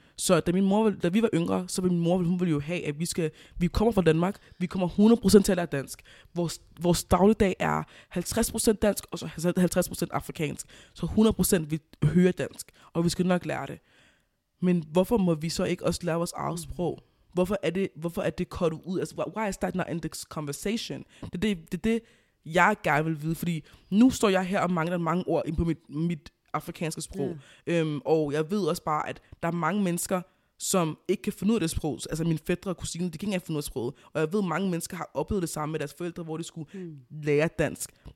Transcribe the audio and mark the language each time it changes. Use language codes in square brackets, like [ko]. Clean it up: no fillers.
[da] Så da vi var yngre, så ville min mor, hun ville jo have, at vi kommer fra Danmark, vi kommer 100% til at lære dansk. Vores dagligdag er 50% dansk, og så 50% afrikansk. Så 100% vil høre dansk, og vi skal nok lære det. Men hvorfor må vi så ikke også lære vores eget sprog? Hvorfor er det cut ud? Altså, [en] why is that not in this conversation? [da] Det er det, jeg gerne vil vide, fordi nu står jeg her og mangler mange ord ind på mit afrikanske sprog. Og jeg ved også bare, at der er mange mennesker, som ikke kan finde ud af det sprog. Altså mine fætter og kusiner, de kan ikke finde ud af sproget. Og jeg ved, at mange mennesker har oplevet det samme med deres forældre, hvor de skulle lære dansk.